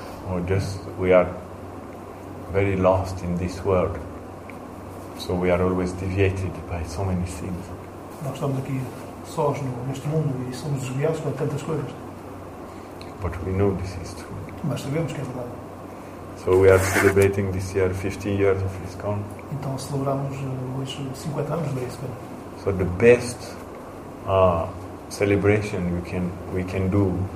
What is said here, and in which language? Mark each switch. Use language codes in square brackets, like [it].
[en] Or just we are very lost in this world. So we are always deviated by so many things. [pt] Nós estamos aqui sós neste mundo e somos desviados por tantas coisas. [en] But we know this is true. [pt] Mas sabemos que é verdade. [en] So we are celebrating this year 50 years of ISKCON. [pt] Então celebramos hoje 50 anos da ISKCON. [en] So the best celebration we can do.